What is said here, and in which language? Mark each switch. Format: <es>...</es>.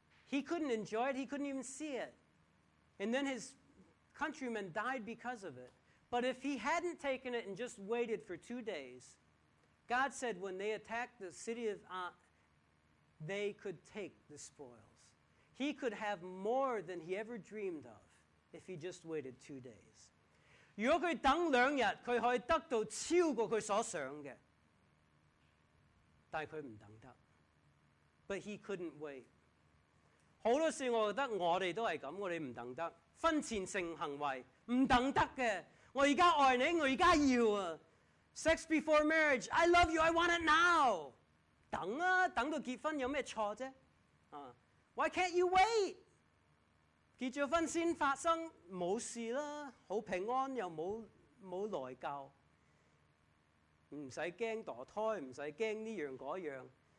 <en>He couldn't enjoy it. He couldn't even see it. And then his countrymen died because of it. But if he hadn't taken it and just waited for 2 days, God said when they attacked the city of they could take the spoil. He could have more than he ever dreamed of if he just waited 2 days.</en> <yue>如果佢等两日，佢可以得到超过佢所想嘅，但佢唔等得。</yue> <en>But he couldn't wait.</en> <yue>好多事，我觉得我哋都系咁，我哋唔等得，婚前性行为唔等得嘅。我而家爱你，我而家要啊。</yue> <en>Sex before marriage, I love you, I want it now.</en> <yue>等啊，等到结婚有咩错啫？啊！</yue> <en>Why can't you wait?</en> <yue>结咗婚先发生，冇事啦，好平安又冇内疚，唔使惊堕胎，唔使惊呢样嗰样。</yue>